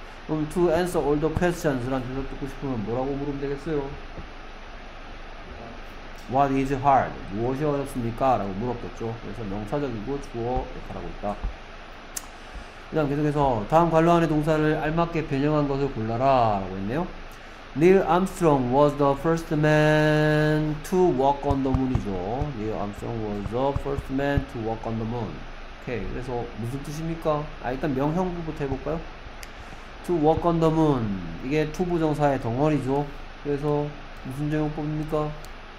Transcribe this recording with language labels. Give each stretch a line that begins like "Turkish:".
Korean: 그럼
English: to answer all the questions
Korean: 란 대답 듣고 싶으면 뭐라고 물으면 되겠어요?
English: What is hard?
Korean: 무엇이 어렵습니까? 라고 물었겠죠. 그래서 명사적이고 주어 역할하고 있다. 그다음 계속해서 다음 관로하는 동사를 알맞게 변형한 것을 골라라 라고 했네요.
English: Neil Armstrong was the first man to walk on the moon이죠. Neil Armstrong was the first man to walk on the moon.
Korean: 오케이. 그래서 무슨 뜻입니까? 아, 일단 명형부부터 해볼까요?
English: To walk on the moon.
Korean: 이게 to 부정사의 덩어리죠. 그래서 무슨 제형법입니까?